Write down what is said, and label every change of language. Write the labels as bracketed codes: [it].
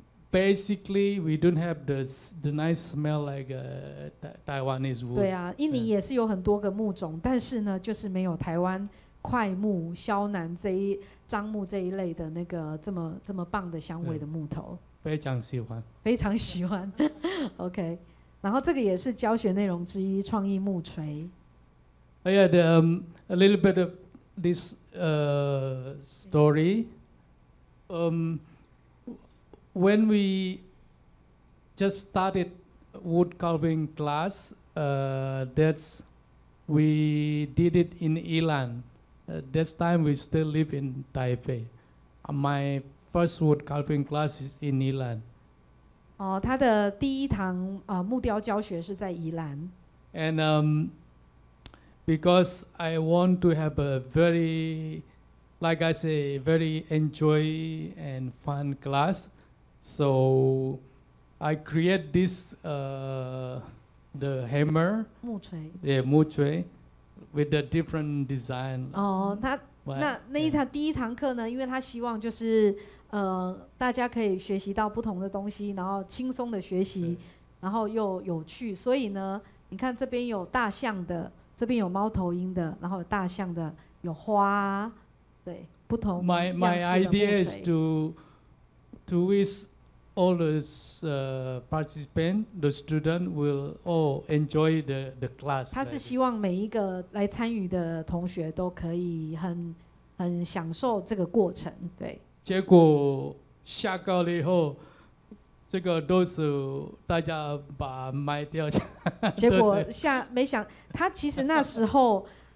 [en] Basically, we don't have the nice smell like Taiwanese wood. [zh] 对啊，印尼也是有很多个木种，但是呢，就是没有台湾槐木、萧楠这一樟木这一类的那个这么棒的香味的木头。非常喜欢，非常喜欢。 OK， 然后这个也是教学内容之一，创意木锤。 [en] I had a little bit of this story. When we just started wood carving class, that's we did it in Ilan. This time we still live in Taipei. My Firstwood Carving Classes in Yilan. [zh] 哦，他的第一堂啊木雕教学是在宜兰。 [en] And because I want to have a very, like I say, very enjoy and fun class, so I create this the hammer [zh] 木锤 [en] yeah 木锤 with a different design. [zh] 哦，他 [en] But, [zh] 那一堂、yeah. 第一堂课呢？因为他希望就是。大家可以学习到不同的东西，然后轻松的学习，然后又有趣。所以呢，你看这边有大象的，这边有猫头鹰的，然后有大象的，有花，对，不同样式的木锤。 [en] My idea is to wish all the participants, the student will all enjoy the class. [zh] 他是希望每一个来参与的同学都可以很享受这个过程，对。结果下课了以后，这个都是大家把卖掉。结果下没想，他其实那时候，